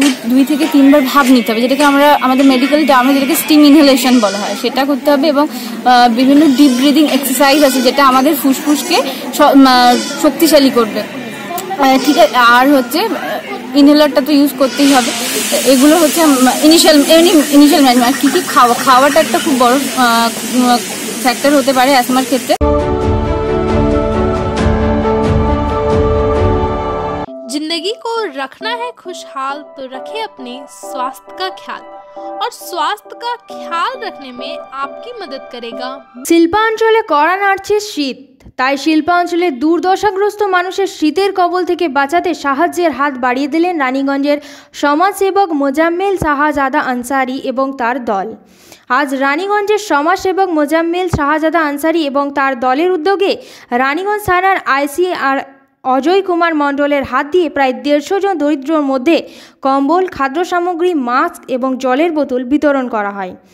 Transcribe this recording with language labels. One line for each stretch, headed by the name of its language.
Bangla: 2-3 বার ভাপ নিতে হবে, যেটাকে আমরা আমাদের মেডিকেল টার্মে যেটাকে স্টিম ইনহেলেশন বলা হয় সেটা করতে হবে, এবং বিভিন্ন ডিপ ব্রিদিং এক্সারসাইজ আছে যেটা আমাদের ফুসফুসকে শক্তিশালী করবে, ঠিক আছে, আর হচ্ছে ইনহেলারটা তো ইউজ করতেই হবে। এগুলো হচ্ছে ইনিশিয়াল ম্যানেজমেন্ট। কি কি খাওয়াটা একটা খুব বড় ফ্যাক্টর হতে পারে অ্যাজমার ক্ষেত্রে।
Hindi: जिंदगी को रखना है खुशहाल तो रखें अपने स्वास्थ्य का ख्याल, और स्वास्थ्य का ख्याल रखने में आपकी मदद करेगा।
Bangla: শিল্পাঞ্চলে কড়া নাড়ছে শীত, তাই শিল্পাঞ্চলে দুর্দশাগ্রস্ত মানুষের শীতের কবল থেকে বাঁচাতে সাহায্যের হাত বাড়িয়ে দিলেন রানীগঞ্জের সমাজসেবক মোজাম্মেল শাহজাদা আনসারী এবং তার দল। আজ রানীগঞ্জের সমাজসেবক মোজাম্মেল শাহজাদা আনসারী এবং তার দলের উদ্যোগে রানীগঞ্জ থানার ICR অজয় কুমার মণ্ডলের হাত দিয়ে প্রায় 150 জন দরিদ্রর মধ্যে কম্বল, খাদ্য সামগ্রী, মাস্ক এবং জলের বোতল বিতরণ করা হয়।